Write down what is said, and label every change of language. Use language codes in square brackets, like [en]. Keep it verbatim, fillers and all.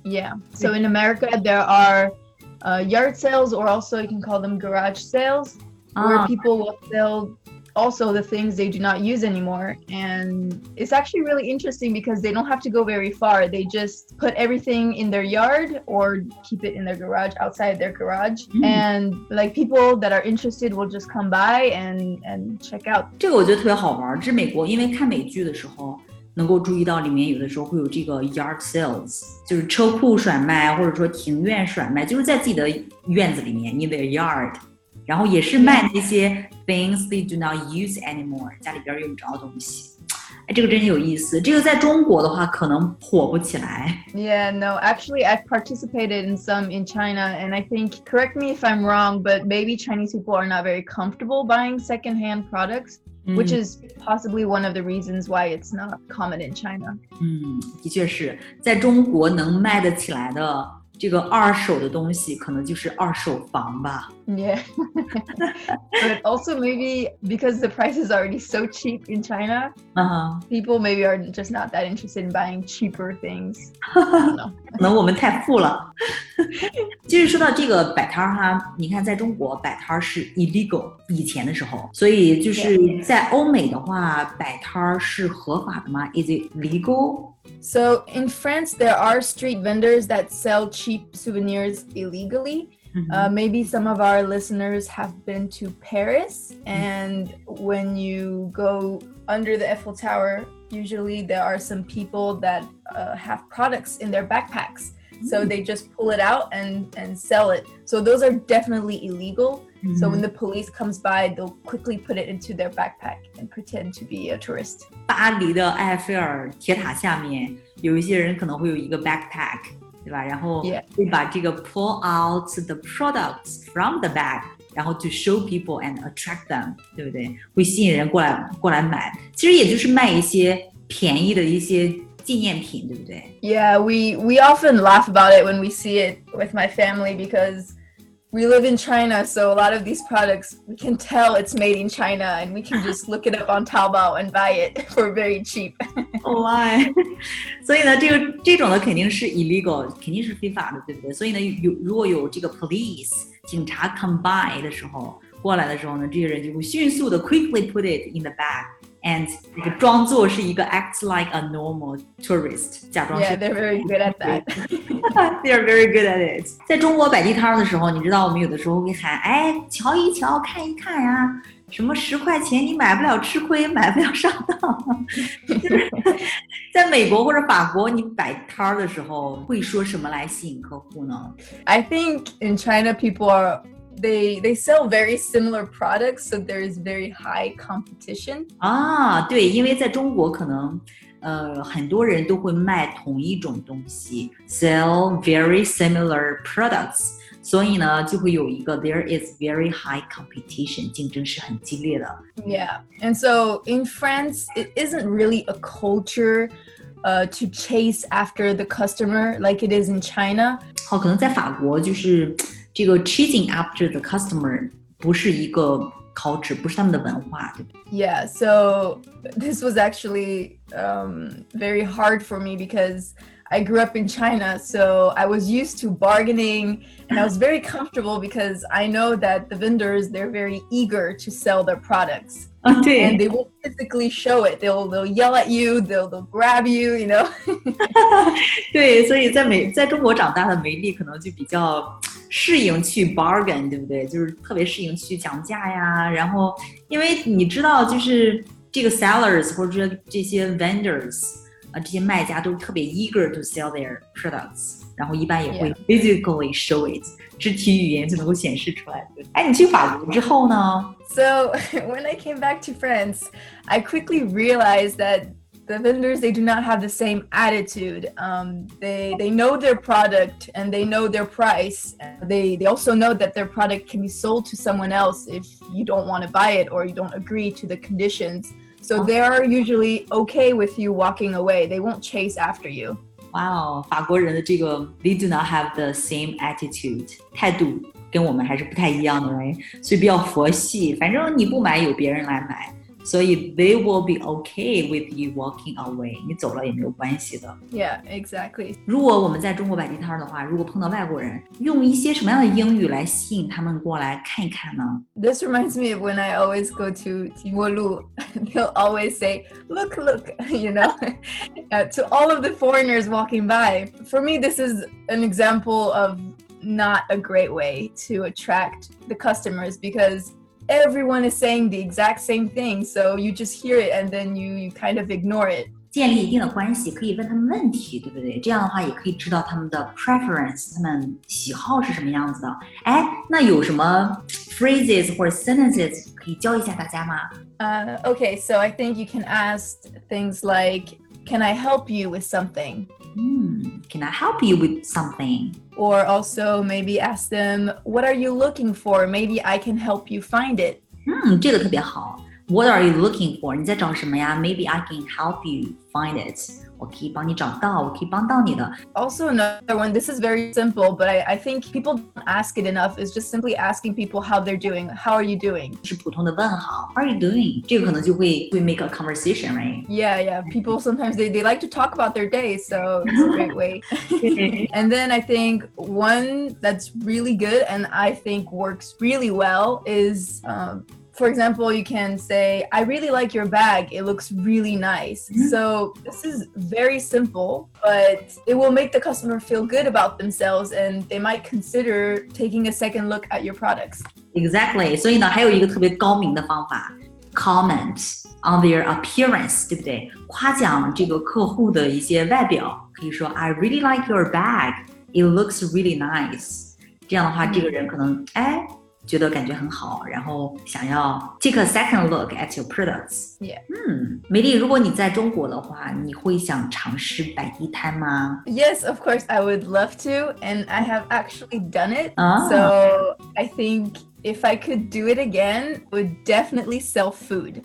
[en] Yeah, so in America there are... Uh, yard sales, or also you can call them garage sales, where people will sell also the things they do not use anymore. And it's actually really interesting because they don't have to go very far. They just put everything in their yard or keep it in their garage, outside their garage. Mm. And like people that are interested will just come by and, and check out. [zh] 这个我觉得特别好玩，是美国，因为看美剧的时候能够注意到里面有的时候会有这个 [en] yard sales， [zh] 就是车库甩卖或者说庭院甩卖，就是在自己的院子里面 [en] in their yard， [zh] 然后也是卖那些 [en] things they do not use anymore， [zh] 家里边用不着东西。哎，这个真有意思，这个在中国的话可能火不起来。 [en] Yeah, no, actually I've participated in some in China, and I think, correct me if I'm wrong, but maybe Chinese people are not very comfortable buying secondhand products. Mm. Which is possibly one of the reasons why it's not common in China. [zh] 嗯，的确是，在中国能卖得起来的这个二手的东西，可能就是二手房吧。 [en] Yeah, but also maybe because the price is already so cheap in China, uh-huh. people maybe are just not that interested in buying cheaper things. [zh] 可能我们太富了。就是说到这个摆摊哈，你看在中国摆摊是 illegal， 以前的时候，所以就是在欧美的话，摆摊是合法的吗 ？ [en] Is it legal? So in France, there are street vendors that sell cheap souvenirs illegally. Mm-hmm. Uh, maybe some of our listeners have been to Paris, and mm-hmm. when you go under the Eiffel Tower, usually there are some people that uh, have products in their backpacks. Mm-hmm. So they just pull it out and, and sell it. So those are definitely illegal. Mm-hmm. So when the police comes by, they'll quickly put it into their backpack and pretend to be a tourist. [zh] 巴黎的埃菲尔铁塔下面，有一些人可能会有一个 backpack。对吧？然后会把这个 [en] pull out the products from the bag， [zh] 然后 [en] to show people and attract them， [zh] 对不对？会吸引人过来过来买，其实也就是卖一些便宜的一些纪念品，对不对？ [en] Yeah, we we often laugh about it when we see it with my family because we live in China, so a lot of these products we can tell it's made in China, and we can just look it up on Taobao and buy it for very cheap. Oh my! [zh] 所以呢，这个这种的肯定是 illegal， 肯定是非法的，对不对？所以呢，有如果有这个 police 警察 [en] come by [zh] 的时候，过来的时候呢，这些人就会迅速的 [en] quickly put it in the bag and [zh] 装作是一个 [en] act like a normal tourist， [zh] 假装是。 [en] Yeah, they're very good at that. They are very good at it. [zh] 在中国摆地摊的时候，你知道我们有的时候会喊，哎，瞧一瞧，看一看呀、啊，什么十块钱你买不了吃亏，买不了上当。在美国或者法国，你摆摊的时候会说什么来吸引客户呢 [en] ？I think in China people are. They they sell very similar products, so there is very high competition. [zh] 啊，对，因为在中国可能，呃，很多人都会卖同一种东西 ， [en] sell very similar products， [zh] 所以呢，就会有一个 [en] there is very high competition， [zh] 竞争是很激烈的。 [en] Yeah, and so in France, it isn't really a culture, uh, to chase after the customer like it is in China. [zh] 好，可能在法国就是。这个 [en] chasing after the customer [zh] 不是一个 culture， 不是他们的文化，对不对？ [en] Yeah, so this was actually um, very hard for me because I grew up in China, so I was used to bargaining and I was very comfortable because I know that the vendors, they're very eager to sell their products. [zh] 啊、oh, ，对 [en] ，and they will physically show it. They'll they'll yell at you. They'll they'll grab you. You know. [zh] 对，所以在美在中国长大的美丽可能就比较。适应去 bargain， 对不对？就是特别适应去讲价呀。然后，因为你知道，就是这个 sellers 或者这些 vendors 啊、呃，这些卖家都是特别 [en] eager to sell their products， [zh] 然后一般也会 [en] physically show it， [zh] 肢体语言就能够显示出来。哎，你去法国之后呢 [en] ？So when I came back to France, I quickly realized that. The vendors, they do not have the same attitude. Um, they, they know their product and they know their price. They, they also know that their product can be sold to someone else if you don't want to buy it or you don't agree to the conditions. So they are usually okay with you walking away. They won't chase after you. Wow, [zh] 法国人的这个 [en] they do not have the same attitude. [zh] 态度跟我们还是不太一样的，所以比较佛系，反正你不买有别人来买。所以 [en] they will be okay with you walking away， [zh] 你走了也没有关系的。 [en] Yeah, exactly. [zh] 如果我们在中国摆地摊的话，如果碰到外国人，用一些什么样的英语来吸引他们过来看一看呢？ [en] This reminds me of when I always go to 提莫路 They'll always say, look, look, you know, to all of the foreigners walking by. For me, this is an example of not a great way to attract the customers because everyone is saying the exact same thing, so you just hear it and then you, you kind of ignore it. [zh] 建立一定的关系，可以问他们问题，对不对？这样的话也可以知道他们的 preference， 他们喜好是什么样子的。哎，那有什么 phrases 或者 sentences 可以教一下大家吗？ [en] 呃、uh, okay, so I think you can ask things like, can I help you with something? Mm, can I help you with something? Or also maybe ask them, what are you looking for? Maybe I can help you find it. [zh] 嗯，这个特别好。 [en] What are you looking for? [zh] 你在找什么呀？ [en] Maybe I can help you find it. [zh] 我可以帮你找到，我可以帮到你的。 [en] Also another one, this is very simple, but I, I think people don't ask it enough. It's just simply asking people how they're doing. How are you doing? [zh] 是普通的问好 [en] How are you doing? [zh] 这个可能就会 [en] we make a conversation, right? Yeah, yeah. People sometimes they, they like to talk about their day, so it's a great way. And then I think one that's really good and I think works really well is... Um,For example, you can say, I really like your bag. It looks really nice. Mm-hmm. So this is very simple, but it will make the customer feel good about themselves and they might consider taking a second look at your products. Exactly. [zh] 所以呢，还有一个特别高明的方法 [en] comment on their appearance, [zh] 对不对？夸奖这个客户的一些外表，可以说 [en] I really like your bag. It looks really nice. [zh] 这样的话，这个人可能，哎，觉得感觉很好，然后想要 [en] take a second look at your products. Yeah. [zh] 嗯，美丽，如果你在中国的话，你会想尝试摆地摊吗？ [en] Yes, of course, I would love to, and I have actually done it. Oh. So I think if I could do it again, I would definitely sell food.